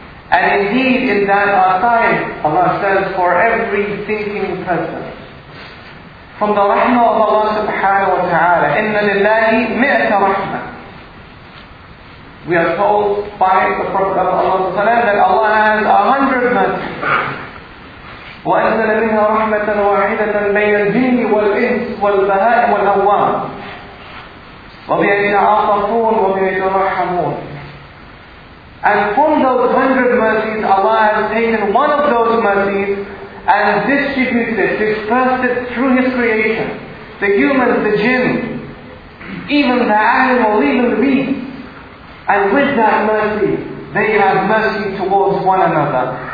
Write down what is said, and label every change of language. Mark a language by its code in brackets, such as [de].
[en] And indeed, in that our time, Allah says, for every thinking person, from the Rahma of Allah subhanahu wa ta'ala, [ar] إِنَّ لِلَّهِ مِئَةَ رَحْمَةً. [en] We are told by the Prophet of Allah sallam that Allah has 100 mercies. [ar] وأنزل منها رحمة واحدة بين الجن والإنس والبهائم والأوام وبين يتعاطفون وبين يترحمون. [en] And from those 100 mercies, Allah has taken one of those mercies and distributed it, dispersed it through His creation. The humans, the jinn, even the animal, even the beast. And with that mercy, they have mercy towards one another.